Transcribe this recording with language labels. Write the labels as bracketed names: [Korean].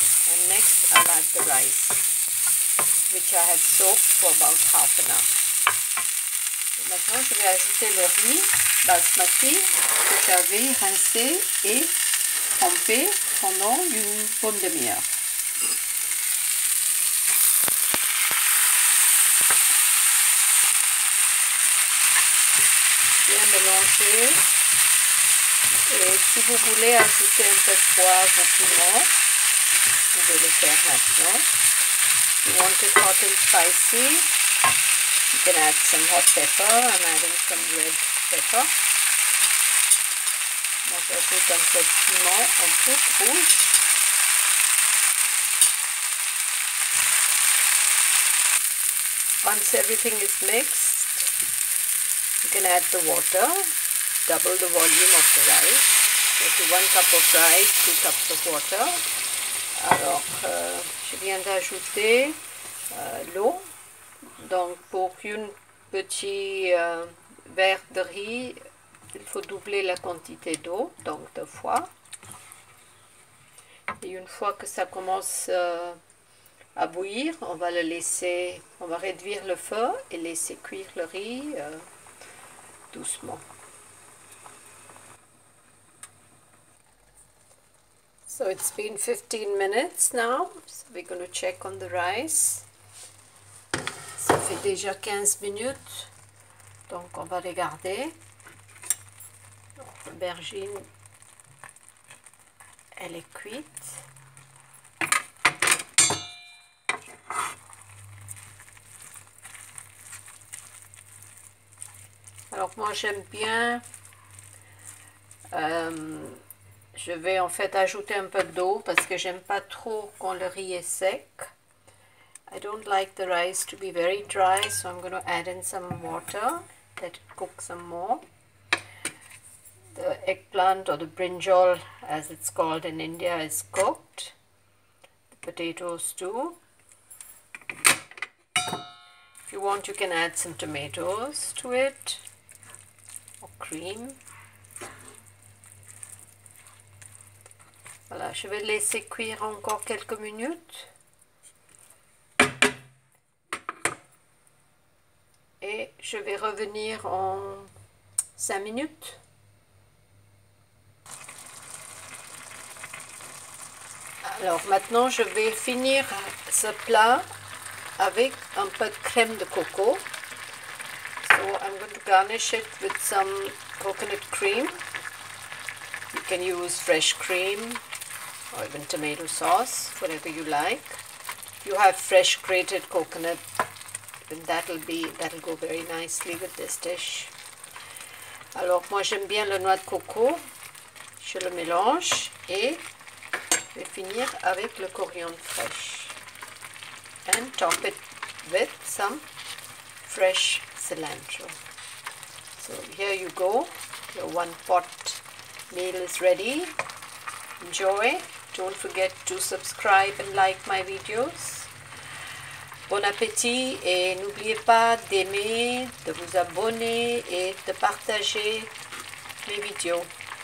[English] And next, I'll add the rice, which I have soaked for about half an hour. [French] Et maintenant, je vais ajouter le riz basmati que j'avais rincé et tremper pendant une bonne demi-heure. Bien mélanger. Et si vous voulez ajouter un peu de poivre ou piment, vous pouvez le faire maintenant. [English] If you want it hot and spicy, you can add some hot pepper. I'm adding some red pepper. [French] Donc j'ajoute un peu de piment, un peu de rouge. [English] Once everything is mixed, you can add the water, double the volume of the rice. Donc 1 cup of rice, 2 cups of water. [French] Alors, je viens d'ajouter l'eau. Donc pour une petite verre de riz, il faut doubler la quantité d'eau, donc 2 fois. Et une fois que ça commence à bouillir, on va le laisser, on va réduire le feu et laisser cuire le riz doucement. [English] So it's been 15 minutes now, so we're going to check on the rice. [French] Ça fait déjà 15 minutes, donc on va regarder. L'aubergine, elle est cuite. Alors moi j'aime bien, je vais en fait ajouter un peu d'eau parce que j'aime pas trop quand le riz est sec. [English] I don't like the rice to be very dry, so I'm going to add in some water, let it cook some more. The eggplant or the brinjal, as it's called in India, is cooked. The potatoes too. If you want, you can add some tomatoes to it or cream. [French] Voilà, je vais laisser cuire encore quelques minutes. Et je vais revenir en 5 minutes. Alors maintenant, je vais finir ce plat avec un peu de crème de coco. [English] So I'm going to garnish it with some coconut cream. You can use fresh cream or even tomato sauce, whatever you like. If you have fresh grated coconut, then that'll go very nicely with this dish. [French] Alors moi j'aime bien le noix de coco. Je le mélange et je vais finir avec le coriandre fraîche. [English] And top it with some fresh cilantro. So here you go, your one pot meal is ready. Enjoy. Don't forget to subscribe and like my videos. [French] Bon appétit et n'oubliez pas d'aimer, de vous abonner et de partager mes vidéos.